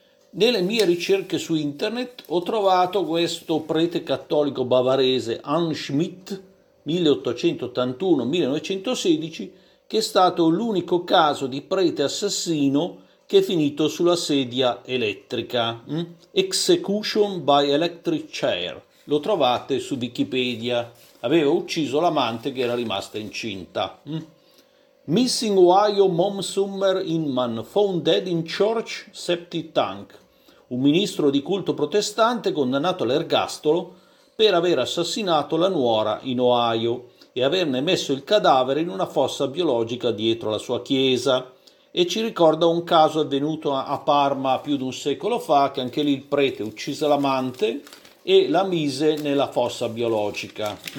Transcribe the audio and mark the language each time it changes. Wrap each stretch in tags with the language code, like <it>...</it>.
<it>Nelle mie ricerche su internet ho trovato questo prete cattolico bavarese Hans Schmidt, 1881-1916, che è stato l'unico caso di prete assassino che è finito sulla sedia elettrica.</it> <en>Execution by electric chair.</en> <it>Lo trovate su Wikipedia. Aveva ucciso l'amante che era rimasta incinta.</it> <en>Missing Ohio mom Summer Inman found dead in church septic tank.</en> <it>Un ministro di culto protestante condannato all'ergastolo per aver assassinato la nuora in Ohio e averne messo il cadavere in una fossa biologica dietro la sua chiesa. E ci ricorda un caso avvenuto a Parma più di un secolo fa, che anche lì il prete uccise l'amante e la mise nella fossa biologica.</it>